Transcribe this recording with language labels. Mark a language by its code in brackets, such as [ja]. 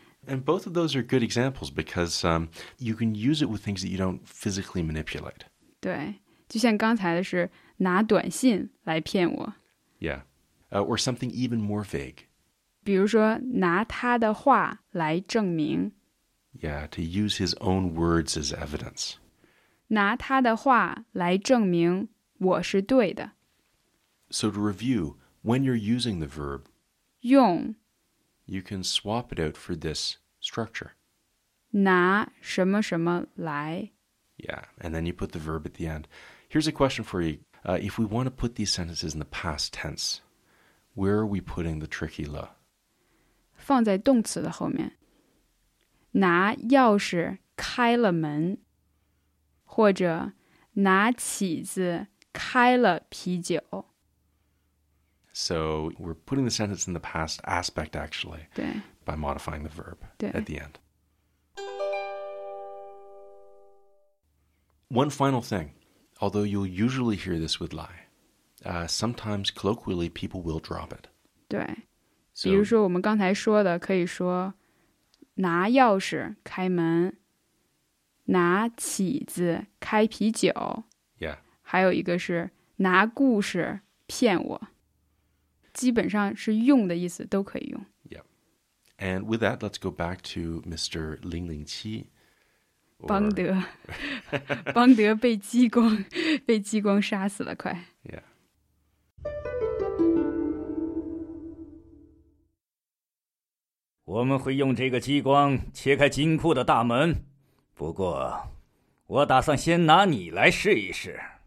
[en] And both of those are good examples because you can use it with things that you don't physically manipulate. [zh] 对,就像刚才的是拿短信来骗我。 [en] Yeah, or something even more vague. [zh] 比如说拿他的话来证明。 [en] Yeah, to use his own words as evidence. [zh] 拿他的话来证明我是对的。 [en] So to review, when you're using the verb, [zh] 用。 [en] You can swap it out for this structure. [zh] 拿什么什么来。 [en] Yeah, and then you put the verb at the end. Here's a question for you. If we want to put these sentences in the past tense, where are we putting the tricky 了? [zh] 放在动词的后面。拿钥匙开了门。或者拿起子开了啤酒。 [en] So we're putting the sentence in the past aspect, actually, by modifying the verb at the end. One final thing, although you'll usually hear this with 来, sometimes colloquially people will drop it. [zh] 对, so, 比如说我们刚才说的可以说拿钥匙开门,拿起子开啤酒, [en] yeah. [zh] 还有一个是拿故事骗我。基本上是用的意思都可以用。 [en] Yeah. And with that, let's go back to Mr. [zh] 零零七。邦德。邦德被激光，被激光杀死了，快。 [en] Yeah. [zh] We 们会用这个激光切开金库的大门。不过，我打算先拿你来试一试。